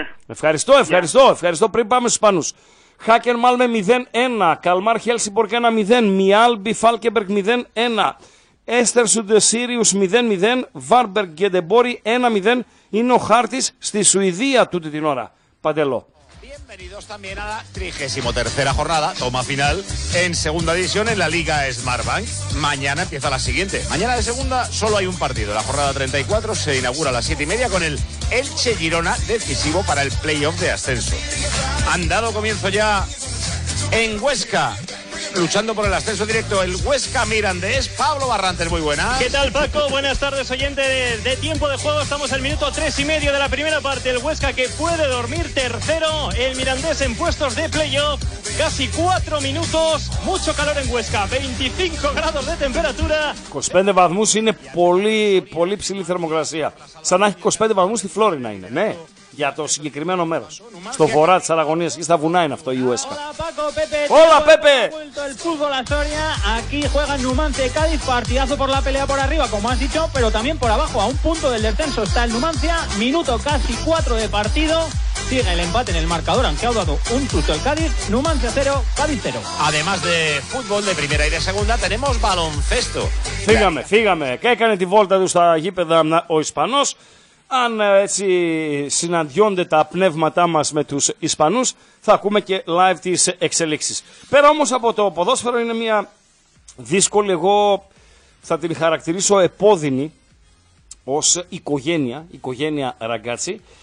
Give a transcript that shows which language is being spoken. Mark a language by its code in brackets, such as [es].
[el] Ευχαριστώ, ευχαριστώ, ευχαριστώ. Πριν πάμε στους Ισπανούς. Χάκεν Μάλμε 0-1. Καλμάρ Χέλσιμπορκ 1-0. Μιάλμπι Φάλκεμπεργκ 0-1. Έστερσουντ Σίριους 0-0. Βάρμπεργκ Γκεντεμπόρι 1-0. Είναι ο χάρτης στη Σουηδία τούτη την ώρα. Παντελό. [es] Bienvenidos también a la 33ª jornada, toma final, en segunda división en la Liga Smartbank. Mañana empieza la siguiente. Mañana de segunda solo hay un partido. La jornada 34 se inaugura a las 7:30 con el Elche Girona, decisivo para el playoff de ascenso. Han dado comienzo ya en Huesca, luchando por el ascenso directo, el Huesca Mirandés. Pablo Barrantes, muy buenas. ¿Qué tal, Paco? Buenas tardes, oyente de Tiempo de Juego. Estamos en minuto 3:30 de la primera parte. El Huesca que puede dormir tercero, el Mirandés en puestos de playoff. Casi 4 minutos, mucho calor en Huesca, 25 grados de temperatura. [el] 25 βαθμούς είναι πολύ, πολύ ψηλή θερμοκρασία. Σαν να έχει 25 βαθμούς στη Φλόρινα είναι, ναι. Για το συγκεκριμένο μέρος. Στο βορρά της Αραγωνίας και στα βουνά είναι αυτό η Huesca. [es] Hola, Pepe. El fútbol Astoria. Aquí juega Numancia y Cádiz. Partidazo por la pelea por arriba, como has dicho, pero también por abajo. A un punto del descenso está el Numancia. Minuto casi 4 de partido. Sigue el empate en el marcador, aunque ha dado un susto el Cádiz. Numancia 0, Cádiz 0. Además de fútbol de primera y de segunda, tenemos baloncesto. Fíjame, fíjame. [el] ¿Qué έκανε τη βόλτα του στα γήπεδα ο Ισπανός? Αν έτσι συναντιόνται τα πνεύματά μας με τους Ισπανούς, θα ακούμε και live τις εξελίξεις. Πέρα όμως από το ποδόσφαιρο, είναι μια δύσκολη, εγώ θα την χαρακτηρίσω επώδυνη, ως οικογένεια Ραγκάτσι.